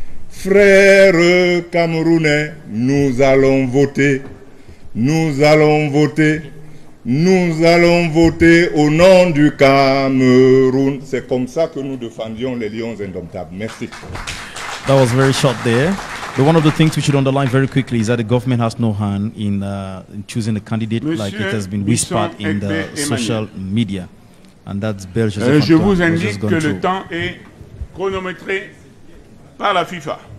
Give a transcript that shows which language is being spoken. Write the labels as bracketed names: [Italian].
[French] Frères camerounais, nous allons voter. Nous allons voter. Nous allons voter au nom du Cameroun. C'est comme ça que nous défendions les Lions Indomptables. Merci. [English] That was very short there. But one of the things we should underline very quickly is that the government has no hand in choosing a candidate, [French] Monsieur, [English] like it has been whispered in the social media. And that's Bel Joseph Antoine. [French] Je vous indique que le temps est chronométré par la FIFA.